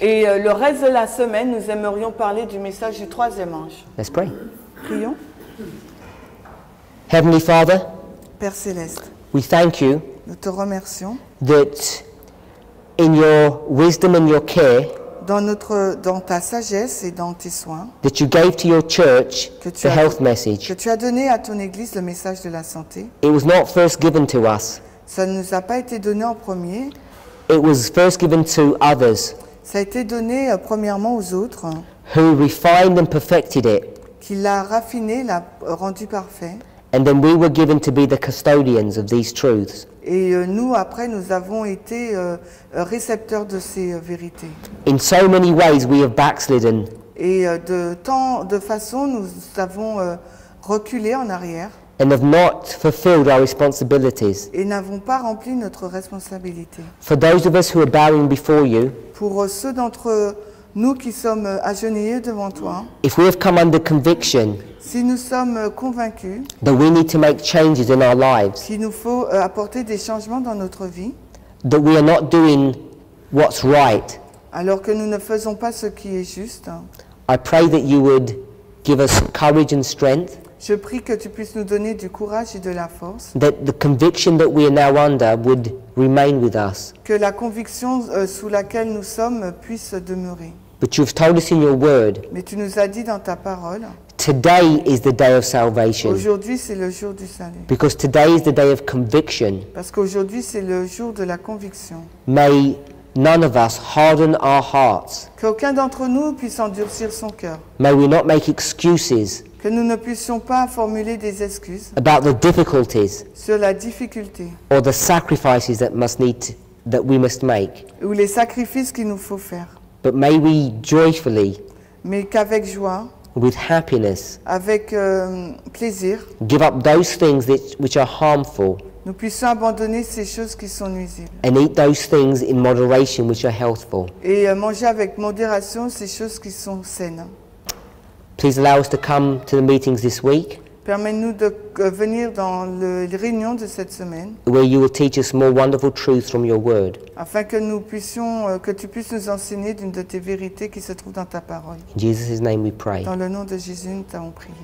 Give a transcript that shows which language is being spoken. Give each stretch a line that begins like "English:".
French: Et le reste de la semaine, nous aimerions parler du message du troisième ange.
English: Let's pray.
French: Prions.
English: Heavenly Father,
French: Père Céleste,
English: we thank you.
French: Nous te remercions.
English: That in your wisdom and your care,
French: dans ta sagesse et dans tes soins,
English: that you gave to your church the health message,
French: que tu as donné à ton église le message de la santé,
English: it was not first given to us.
French: Ça ne nous a pas été donné en premier.
English: It was first given to others.
French: Ça a été donné premièrement aux autres.
English: Who refined and perfected it.
French: Qui l'a raffiné, l'a rendu parfait.
English: And then we were given to be the custodians of these truths.
French: Et nous, après, nous avons été récepteurs de ces vérités.
English: In so many ways, we have backslidden.
French: Et de tant de façons, nous avons reculé en arrière.
English: And have not fulfilled our responsibilities.
French: Et n'avons pas rempli notre responsabilité.
English: For those of us who are bowing before you,
French: pour ceux d'entre nous qui sommes agenouillés devant toi,
English: if we have come under conviction,
French: si nous sommes convaincus,
English: that we need to make changes in our lives,
French: qu'il nous faut apporter des changements dans notre vie,
English: that we are not doing what's right,
French: alors que nous ne faisons pas ce qui est juste,
English: I pray that you would give us courage and strength.
French: Je prie que tu puisses nous donner du courage et de la force.
English: That the conviction that we are now under would remain with us.
French: Que la conviction sous laquelle nous sommes puisse demeurer.
English: But you've told us in your word.
French: Mais tu nous as dit dans ta parole.
English: Today is the day of salvation.
French: Aujourd'hui c'est le jour du salut.
English: Because today is the day of conviction.
French: Parce qu'aujourd'hui c'est le jour de la conviction.
English: May none of us harden our hearts.
French: Qu'aucun d'entre nous puisse endurcir son cœur.
English: May we not make excuses.
French: Que nous ne puissions pas formuler des excuses
English: about the difficulties
French: sur la difficulté
English: or the sacrifices that we must make
French: ou les sacrifices qu'il nous faut faire
English: but may we joyfully
French: mais qu'avec joie
English: with happiness
French: avec plaisir
English: give up those things which are harmful
French: nous puissions abandonner ces choses qui sont nuisibles
English: and eat those things in moderation which are healthful
French: et manger avec modération ces choses qui sont saines.
English: Please allow us to come to the meetings this week.
French: Permets-nous de venir dans les réunions de cette semaine.
English: Where you will teach us more wonderful truths from your word.
French: Afin que nous puissions, que tu puisses nous enseigner d'une de tes vérités qui se trouve dans ta parole.
English: In Jesus' name we pray.
French: Dans le nom de Jésus, nous t'avons prié.